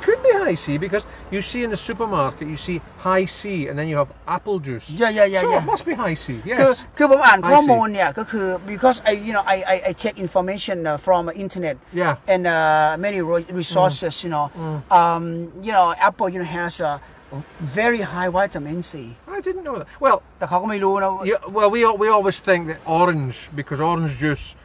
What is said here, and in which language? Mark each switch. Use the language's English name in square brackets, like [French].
[English] It could be high C because you see in the supermarket you see high C and then you have apple juice. Yeah. So it must be high C. Yes. [Thai] คือผมอ่านข้อมูลเนี่ยก็คือ [English] because I check information from internet. Yeah. And many resources, you know. You know, apple you know has a very high vitamin C. I didn't know that. Well, [Thai] แต่เขาก็ไม่รู้นะ [English] Yeah. Well, we always think that orange because orange juice.